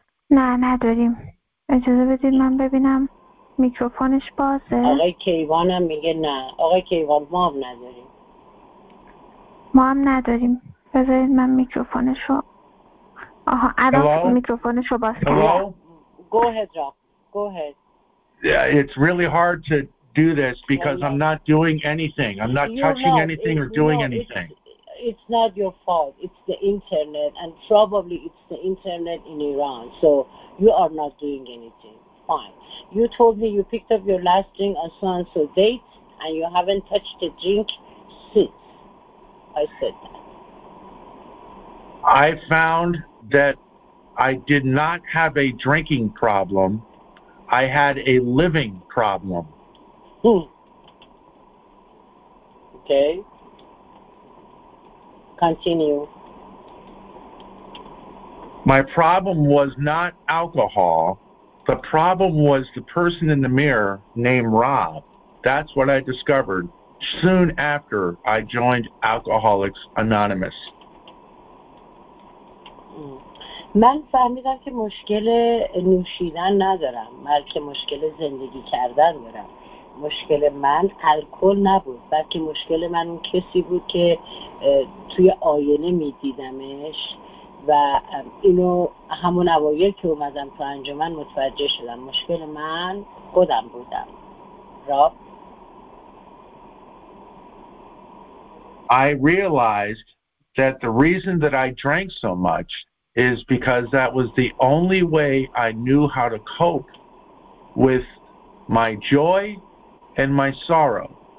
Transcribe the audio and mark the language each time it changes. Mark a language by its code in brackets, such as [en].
[fa] نه نداریم اجازه بدید من ببینم میکروفونش بازه آقای کیوان هم میگه نه آقای کیوان ما هم نداریم ما هم نداریم بذارید من میکروفونش رو آها الان میکروفونش رو باز کنم [en] Go ahead Rob Go ahead Yeah it's really hard to do this because I'm not doing anything I'm not touching anything or doing anything It's not your fault. It's the internet, and probably it's the internet in Iran. So you are not doing anything. Fine. You told me you picked up your last drink on so-and-so date, and you haven't touched a drink since. I said that. I found that I did not have a drinking problem. I had a living problem. Okay. Continue. My problem was not alcohol. The problem was the person in the mirror named Rob. That's what I discovered soon after I joined Alcoholics Anonymous. [fa] من فهمیدم که مشکل نوشیدن ندارم، بلکه مشکل زندگی کردن دارم. مشکل من الکل نبود بلکه مشکل من اون کسی بود که توی آینه می دیدمش و اینو همون اوایل که اومدم تو انجمن متوجه شدم مشکل من خودم بودم راب [en] I realized that the reason that I drank so much is because that was the only way I knew how to cope with my joy and my sorrow.